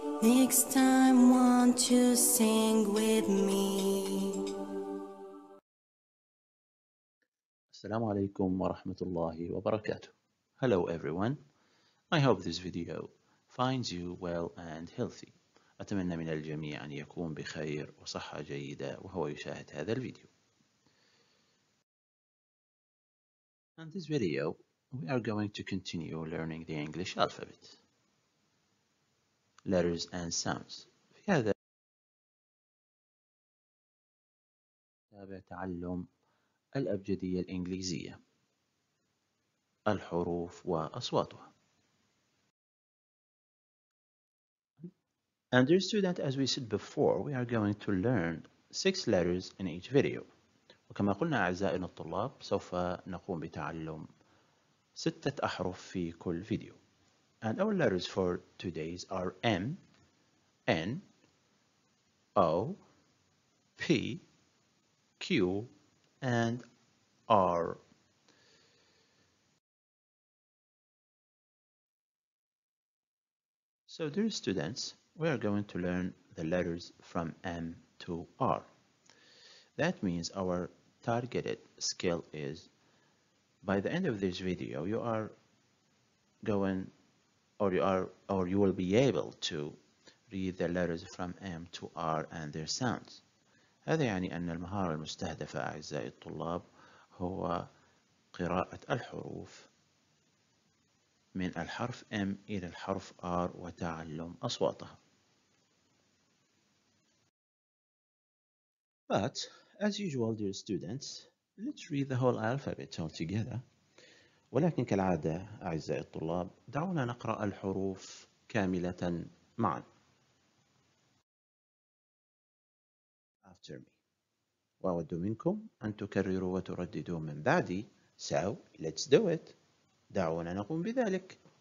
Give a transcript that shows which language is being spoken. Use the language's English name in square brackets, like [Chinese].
[English] Next time, won't you sing with me? [Arabic] Assalamu alaikum wa rahmatullahi wa barakatuh. [English] Hello everyone. I hope this video finds you well and healthy. [Arabic] أتمنى من الجميع أن يكون بخير وصحة جيدة وهو يشاهد هذا الفيديو. [English] In this video, we are going to continue learning the English alphabet. Letters and sounds. [Arabic] في هذا تابع تعلم الأبجدية الإنجليزية الحروف وأصواتها. [English] And dear student, as we said before, we are going to learn 6 letters in each video. [Arabic] وكما قلنا أعزائنا الطلاب سوف نقوم بتعلم 6 أحرف في كل فيديو. [English] And our letters for today's are M, N, O, P, Q, and R. So, dear students, we are going to learn the letters from M to R. That means our targeted skill is, by the end of this video, you are going, or you are, or you will be able to read the letters from M to R and their sounds. [Arabic] هذا يعني أن المهارة المستهدفة أعزائي الطلاب هو قراءة الحروف من الحرف M إلى الحرف R وتعلم أصواتها. [English] But as usual, dear students, let's read the whole alphabet all together. [Arabic] ولكن كالعادة أعزائي الطلاب دعونا نقرأ الحروف كاملة معا. [English] After me. [Arabic] وأود منكم أن تكرروا وترددوا من بعدي. [English] So, let's do it. [Arabic] دعونا نقوم بذلك.